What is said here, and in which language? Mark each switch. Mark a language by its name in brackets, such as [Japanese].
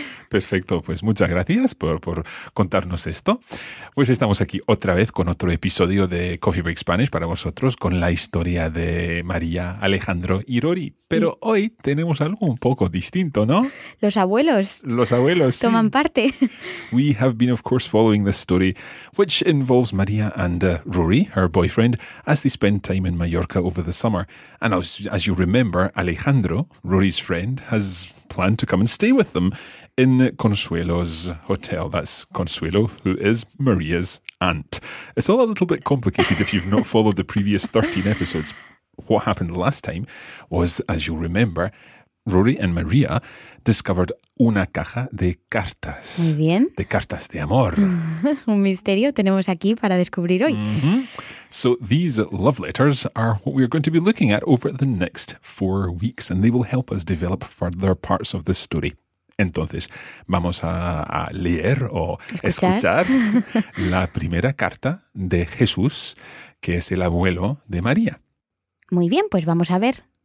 [Spanish] Perfecto, pues muchas gracias por contarnos esto. Pues estamos aquí otra vez con otro episodio de Coffee Break Spanish para vosotros con la historia de María, Alejandro y Rory. Pero hoy tenemos algo un poco distinto, ¿no? Los abuelos. Los abuelos, toman sí. parte. [English] We have been, of course, following the story, which involves María and Rory, her boyfriend, as they spend time in Mallorca over the summer. And as you remember, Alejandro, Rory's friend, has planned to come and stay with them in Consuelo's hotel. That's Consuelo, who is Maria's aunt. It's all a little bit complicated if you've not followed the previous 13 episodes. What happened last time was, as you remember, Rory and Maria discovered una caja de cartas. [Spanish] Muy bien. De cartas de amor. Un misterio tenemos aquí para descubrir hoy. [English] So these love letters are what we're going to be looking at over the next 4 weeks, and they will help us develop further parts of the story. [Spanish] Entonces, vamos a leer o escuchar la primera carta de Jesús, que es el abuelo de María. Muy bien, pues vamos a ver.